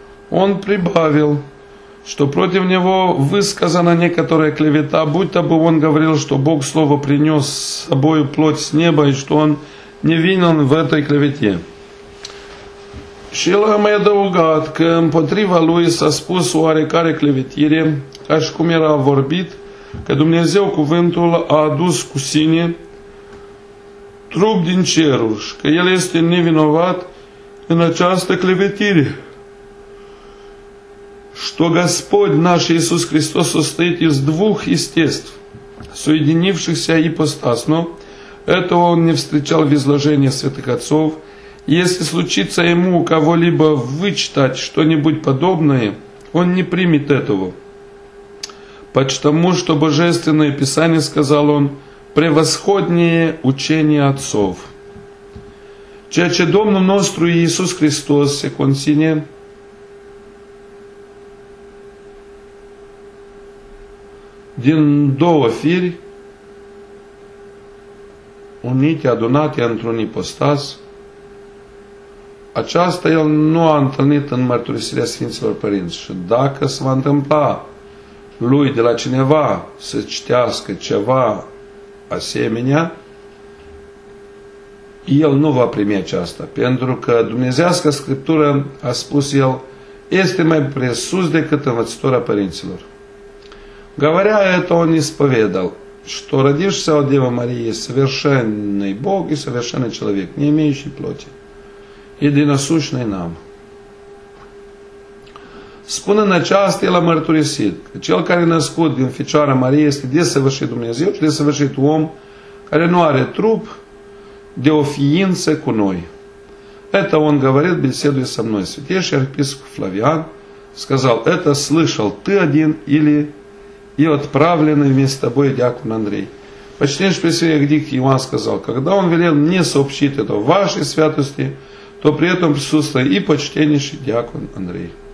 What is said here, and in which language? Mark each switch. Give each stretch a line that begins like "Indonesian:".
Russian: Он прибавил, что против него высказана некоторая клевета, будто бы он говорил, что Бог Слово принес с собой плоть с неба, и что он невинен в этой клевете.
Romanian: Și el a mai adăugat că împotriva lui s-a spus oarecare clevetire, ca și cum era vorbit, că Dumnezeu cuvântul a adus cu sine trup din ceruri și că el este nevinovat în această clevetire.
Russian: Что Господь наш Иисус Христос состоит из двух естеств, соединившихся ипостасно, этого он не встречал в изложении святых отцов. Если случится ему у кого-либо вычитать что-нибудь подобное, он не примет этого. Потому что Божественное Писание, сказал он, превосходнее учение отцов.
Romanian: Ceea ce Domnul nostru Iisus Hristos se conține, din două firi, unite, adunate într-un ipostas, aceasta el nu a întâlnit în mărturisirea Sfinților Părinți. Și dacă se va întâmpla lui de la cineva să citească ceva asemenea, el nu va primi aceasta. Pentru că Dumnezească Scriptură a spus el, este mai presus decât învățătura părinților.
Russian: Говоря это, он исповедал, что родившийся от Девы Марии совершенный Бог и совершенный человек, не имеющий плоти. Единосущный нам.
Romanian: Спунând aceasta, el a mărturisit că cel care născut din Fecioara Marie este desăvârșit Dumnezeu și desăvârșit om care nu are trup de o ființă cu noi.
Russian: Это он говорит, беседуя со мной. Святейший архиепископ Флавиан сказал, это слышал ты один или и отправленный вместо тобой диакон Андрей. Почти же Пресвятый Игнатий Иоанн сказал, когда он велел мне сообщить это вашей святости, то при этом присутствует и почтеннейший диакон Андрей.